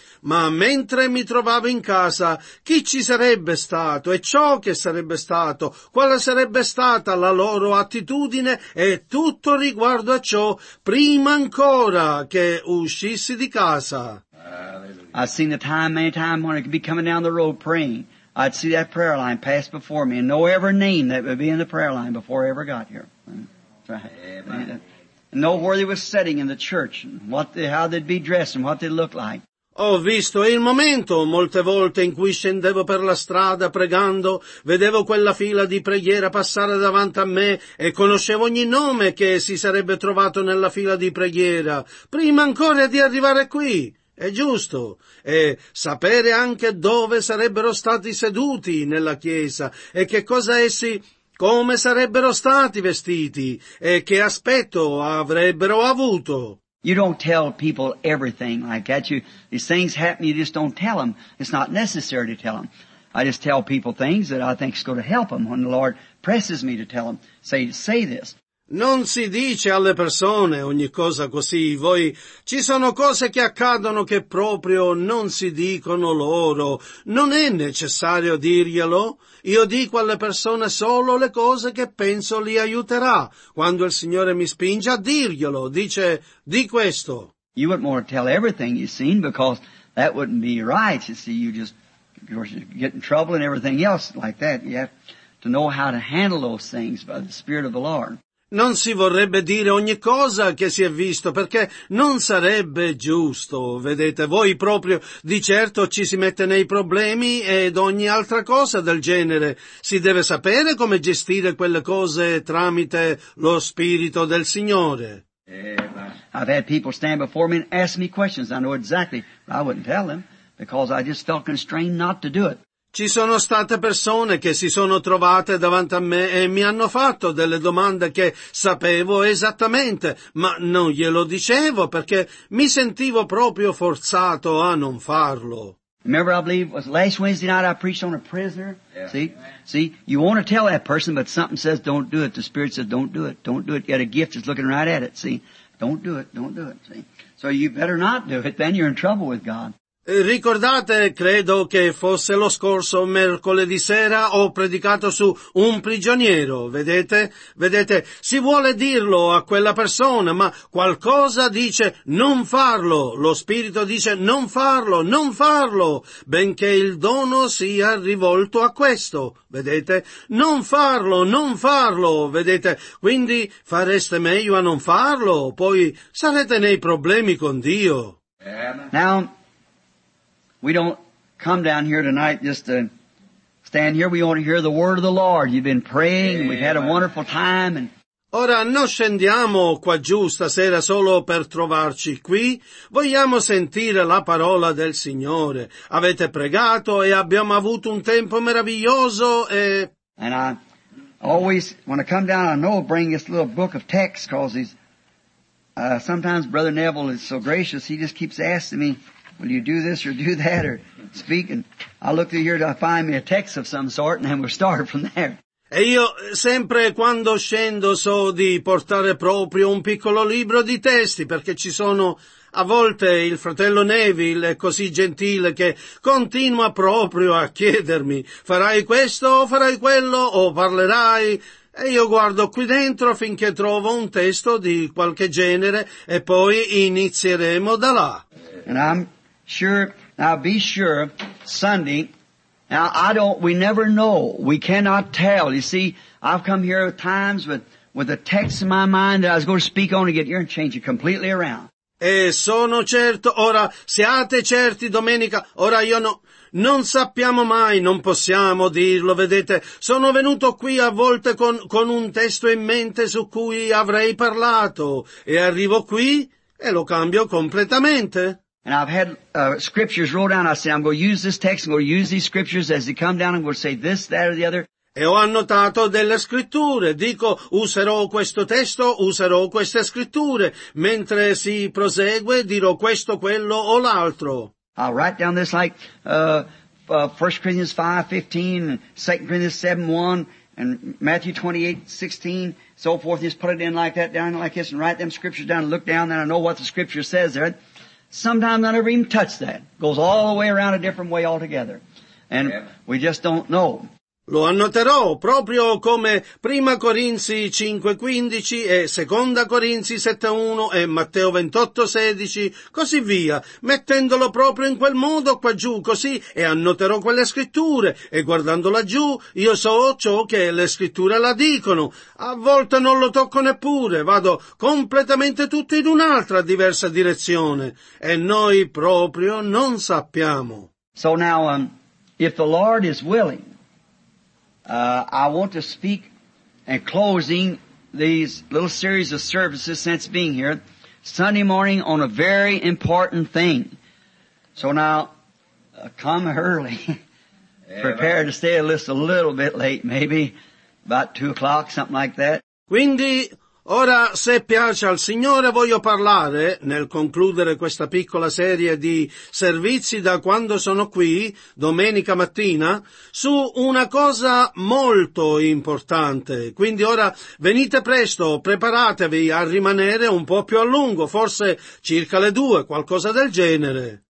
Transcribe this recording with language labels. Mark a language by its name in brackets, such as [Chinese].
[Italian] Ma mentre mi trovavo in casa, chi ci sarebbe stato e ciò che sarebbe stato, quale sarebbe stata la loro attitudine e tutto riguardo a ciò prima ancora che uscissi di casa. [English] I've seen the time, many time when I could be coming down the road praying. I'd see that prayer line pass before me and know every name that would be in the prayer line before I ever got here. So right. No where they were sitting in the church, what they, how they'd be dressed and what they looked like. [Italian] Ho visto il momento molte volte in cui scendevo per la strada pregando, vedevo quella fila di preghiera passare davanti a me e conoscevo ogni nome che si sarebbe trovato nella fila di preghiera, prima ancora di arrivare qui. È giusto. E sapere anche dove sarebbero stati seduti nella chiesa e che cosa essi, come sarebbero stati vestiti e che aspetto avrebbero avuto. [English] You don't tell people everything like that. You, these things happen, you just don't tell them. It's not necessary to tell them. I just tell people things that I think is going to help them when the Lord presses me to tell them. Say this. [Italian] Non si dice alle persone ogni cosa così. Voi, ci sono cose che accadono che proprio non si dicono loro. Non è necessario dirglielo. Io dico alle persone solo le cose che penso li aiuterà. Quando il Signore mi spinge a dirglielo, dice, di questo. [English] You wouldn't want to tell everything you've seen because that wouldn't be right. You see, you just, you're getting in trouble and everything else like that. You have to know how to handle those things by the Spirit of the Lord. [Italian] Non si vorrebbe dire ogni cosa che si è visto, perché non sarebbe giusto, vedete, voi proprio di certo ci si mette nei problemi ed ogni altra cosa del genere. Si deve sapere come gestire quelle cose tramite lo Spirito del Signore. [English] I've had people stand before me and ask me questions, I know exactly, but I wouldn't tell them, because I just felt constrained not to do it. [Italian] Ci sono state persone che si sono trovate davanti a me e mi hanno fatto delle domande che sapevo esattamente, ma non glielo dicevo perché mi sentivo proprio forzato a non farlo. [English] Remember, I believe it was last Wednesday night I preached on a prisoner. Yeah. See? See, you want to tell that person, but something says don't do it. The Spirit says don't do it. Don't do it. You got a gift that's looking right at it. See? Don't do it. Don't do it. See? So you better not do it. Then you're in trouble with God. [Italian] Ricordate, credo che fosse lo scorso mercoledì sera, ho predicato su un prigioniero, vedete? Vedete, si vuole dirlo a quella persona, ma qualcosa dice non farlo, lo Spirito dice non farlo, non farlo, benché il dono sia rivolto a questo, vedete? Non farlo, non farlo, vedete? Quindi fareste meglio a non farlo, poi sarete nei problemi con Dio. [English] Now, we don't come down here tonight just to stand here. We want to hear the word of the Lord. You've been praying. We've had a wonderful time. And [Italian] ora non scendiamo qua giù stasera solo per trovarci qui. Vogliamo sentire la parola del Signore. Avete pregato e abbiamo avuto un tempo meraviglioso e. [English] And I always, when I come down, I know I bring this little book of texts because he's, sometimes Brother Neville is so gracious. He just keeps asking me, will you do this or do that or speak? And I look through here to find me a text of some sort, and then we'll start from there. [Italian] E io sempre quando scendo so di portare proprio un piccolo libro di testi, perché ci sono a volte il fratello Neville è così gentile che continua proprio a chiedermi, farai questo o farai quello o parlerai? E io guardo qui dentro finché trovo un testo di qualche genere e poi inizieremo da là. [English] And I'm sure, now be sure, Sunday, now I don't, we never know, we cannot tell. You see, I've come here at times with a text in my mind that I was going to speak on to get here and change it completely around. [Italian] E sono certo, ora siate certi domenica, ora io no. Non sappiamo mai, non possiamo dirlo, vedete, sono venuto qui a volte con un testo in mente su cui avrei parlato e arrivo qui e lo cambio completamente. [English] And I've had scriptures wrote down, I say I'm going to use this text, I'm going to use these scriptures as they come down, I'm going to say this, that or the other. [Italian] E ho annotato delle scritture, dico userò questo testo, userò queste scritture, mentre si prosegue dirò questo, quello o l'altro. [English] I'll write down this like 1 Corinthians 5:15, 2 Corinthians 7:1, and Matthew 28:16, so forth. Just put it in like that, down like this, and write them scriptures down. And look down, then I know what the scripture says there. Sometimes I never even touch that. It goes all the way around a different way altogether, and we just don't know. [Italian] Lo annoterò proprio come 1 Corinzi 5:15 e 2 Corinzi 7:1 e Matteo 28:16, così via, mettendolo proprio in quel modo qua giù, così, e annoterò quelle scritture, e guardando laggiù, io so ciò che le scritture la dicono. A volte non lo tocco neppure, vado completamente tutto in un'altra diversa direzione, e noi proprio non sappiamo. [English] So now, if the Lord is willing, I want to speak and closing these little series of services since being here Sunday morning on a very important thing. So now, come early. Prepare to stay at least a little bit late, maybe about 2 o'clock, something like that. [Italian] Quindi, ora, se piace al Signore, voglio parlare, nel concludere questa piccola serie di servizi da quando sono qui, domenica mattina, su una cosa molto importante. Quindi ora, venite presto, preparatevi a rimanere un po' più a lungo, forse circa le 2, qualcosa del genere.